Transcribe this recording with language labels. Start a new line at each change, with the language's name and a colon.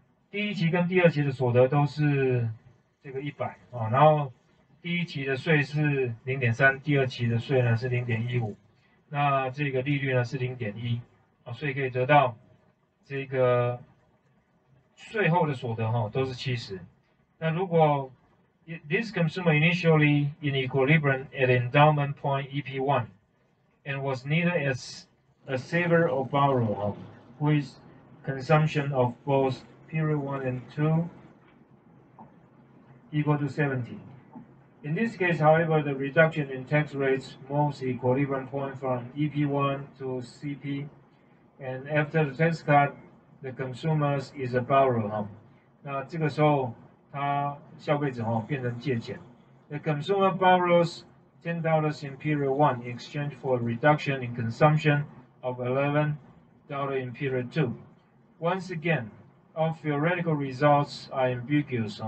Chinese: 第一期跟第二期的所得都是这个100啊，然后第一期的税是0.3，第二期的税呢是0.15，那这个利率呢是0.1啊，所以可以得到这个税后的所得哈都是70。
English: 那如果 this consumer initially in equilibrium at endowment point EP1 and was neither as a saver or borrower with consumption of both Period 1 and 2 equal to 70. In this case, however, the reduction in tax rates moves equilibrium point from EP1 to CP, and after the tax cut, the consumers is a borrower.
Chinese: 那这个时候，他消费者哦变成借钱。
English: The consumer borrows $10 in period 1 in exchange for a reduction in consumption of $11 in period 2. Once again, our theoretical results are ambiguous.